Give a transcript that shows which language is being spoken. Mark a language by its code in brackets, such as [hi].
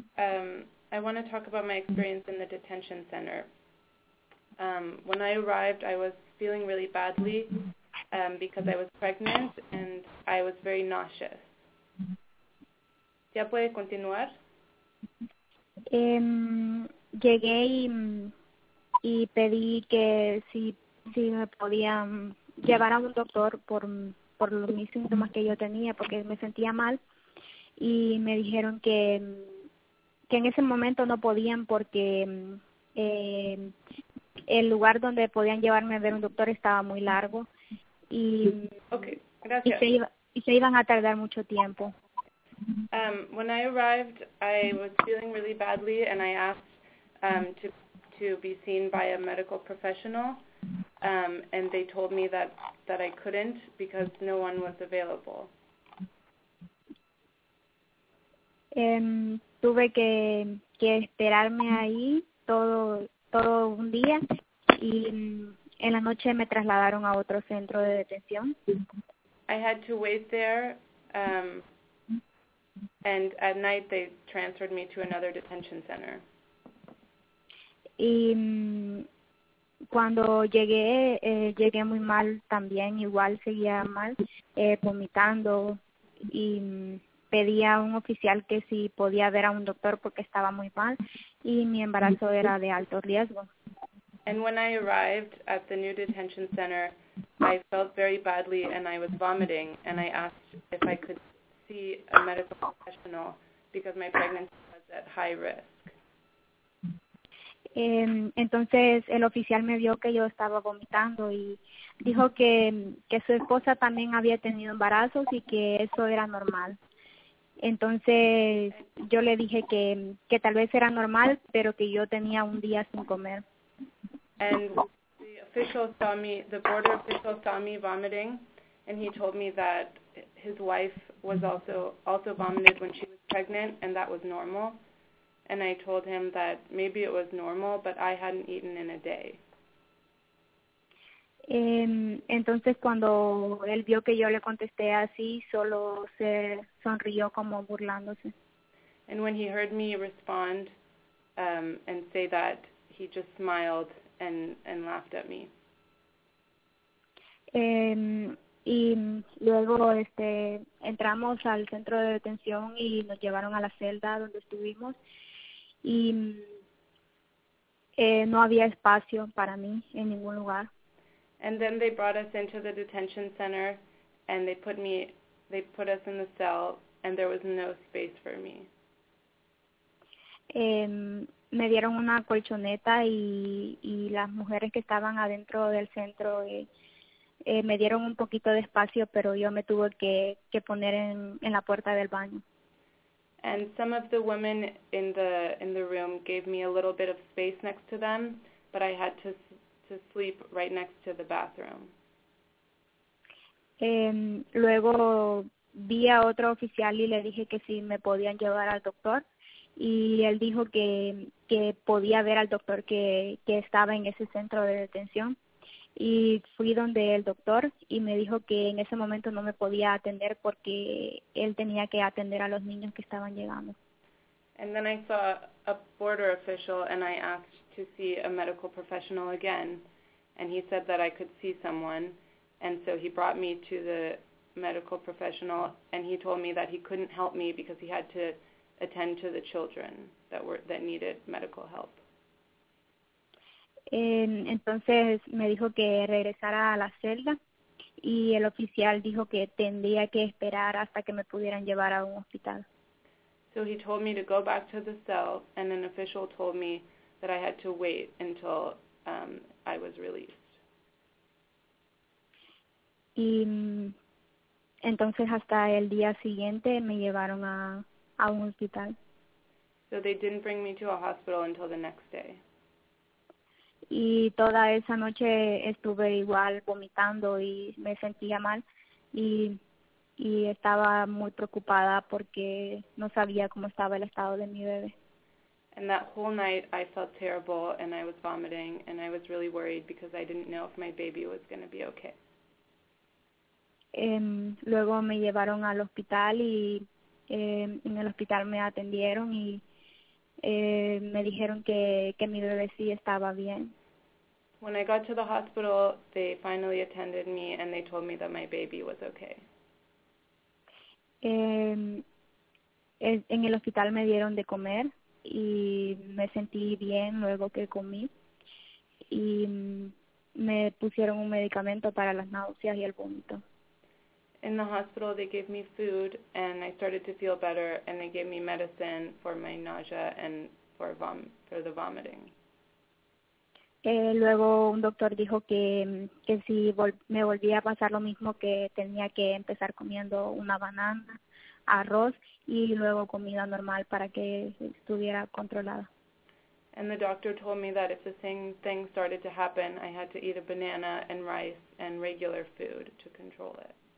[en] I want to talk about my experience in the detention center. When I arrived, I was feeling really badly because I was pregnant and I was very nauseous. [es] ¿Ya puede continuar? Llegué y pedí que si me podían llevar a un doctor por los mis síntomas que yo tenía, porque me sentía mal, y me dijeron que en ese momento no podían porque el lugar donde podían llevarme a ver un doctor estaba muy largo y, okay, gracias. Y se iban a tardar mucho tiempo. [en] When I arrived, I was feeling really badly, and I asked to be seen by a medical professional, and they told me that I couldn't because no one was available. [es] Tuve que esperarme ahí todo un día, y en la noche me trasladaron a otro centro de detención. [en] I had to wait there. And at night, they transferred me to another detention center. [es] Y cuando llegué, llegué muy mal también, igual seguía mal, vomitando, y pedí a un oficial que si podía ver a un doctor porque estaba muy mal, y mi embarazo era de alto riesgo. [en] And when I arrived at the new detention center, I felt very badly, and I was vomiting, and I asked if I could a medical professional because my pregnancy was at high risk. [es] Entonces el oficial me vio que yo estaba vomitando y dijo que su esposa también había tenido embarazos y que eso era normal. Entonces yo le dije que tal vez era normal, pero que yo tenía un día sin comer. [en] And the border official saw me vomiting, and he told me that his wife was also vomited when she was pregnant, and that was normal. And I told him that maybe it was normal, but I hadn't eaten in a day. [es] Entonces cuando él vio que yo le contesté así, solo se sonrió como burlándose. [en] And when he heard me respond and say that, he just smiled and laughed at me. [es] Y luego entramos al centro de detención y nos llevaron a la celda donde estuvimos y no había espacio para mí en ningún lugar. [en] And then they brought us into the detention center and they put us in the cell and there was no space for me. [es] Me dieron una colchoneta y las mujeres que estaban adentro del centro me dieron un poquito de espacio, pero yo me tuve que poner en la puerta del baño. [en] And some of the women in the room gave me a little bit of space next to them, but I had to sleep right next to the bathroom. [es] Luego vi a otro oficial y le dije que si me podían llevar al doctor. Y él dijo que podía ver al doctor que estaba en ese centro de detención. Y fui donde el doctor y me dijo que en ese momento no me podía atender porque él tenía que atender a los niños que estaban llegando. [en] And then I saw a border official and I asked to see a medical professional again. And he said that I could see someone. And so he brought me to the medical professional and he told me that he couldn't help me because he had to attend to the children that needed medical help. [es] Entonces me dijo que regresara a la celda y el oficial dijo que tendría que esperar hasta que me pudieran llevar a un hospital. [en] So he told me to go back to the cell and an official told me that I had to wait until I was released. [es] Y entonces hasta el día siguiente me llevaron a un hospital. [en] So they didn't bring me to a hospital until the next day. [es] Y toda esa noche estuve igual vomitando y me sentía mal y estaba muy preocupada porque no sabía cómo estaba el estado de mi bebé. [en] And that whole night I felt terrible and I was vomiting and I was really worried because I didn't know if my baby was going to be okay. [es] Luego me llevaron al hospital y en el hospital me atendieron y me dijeron que mi bebé sí estaba bien. [en] When I got to the hospital, they finally attended me and they told me that my baby was okay. [es] En el hospital me dieron de comer y me sentí bien luego que comí y me pusieron un medicamento para las náuseas y el vómito. [en] In the hospital, they gave me food, and I started to feel better, and they gave me medicine for my nausea and for the vomiting. [es] Luego, un doctor dijo que si me volvía a pasar lo mismo, que tenía que empezar comiendo una banana, arroz, y luego comida normal para que estuviera controlada. [en] And the doctor told me that if the same thing started to happen, I had to eat a banana and rice and regular food to control it.